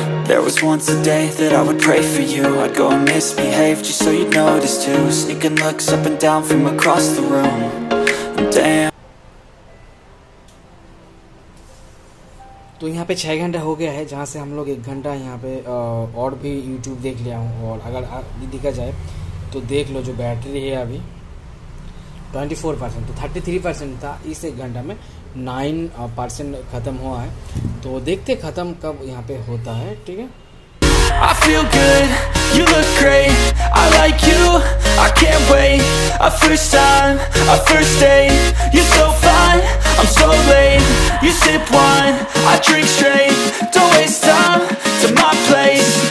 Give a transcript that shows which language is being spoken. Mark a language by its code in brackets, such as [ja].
[en] There was once a day that I would pray for you. I'd go and misbehave just so you'd notice too. Sneaking looks up and down from across the room. Damn. [hi] तो यहाँ पे 6 hours हो गया है, जहाँ से हम लोग 1 hour यहाँ पे और भी YouTube देख लिया हूँ, और अगर देखा जाए तो देख लो जो बैटरी है अभी 24%, तो 33% था इस 1 hour में, 9% खत्म हुआ है, तो देखते खत्म कब यहाँ पे होता है, ठीक है। [en] I feel good, you look great, I like you, I can't wait. A first time, a first date, you're so fine, I'm so late. You sip wine, I drink straight, don't waste time to my place.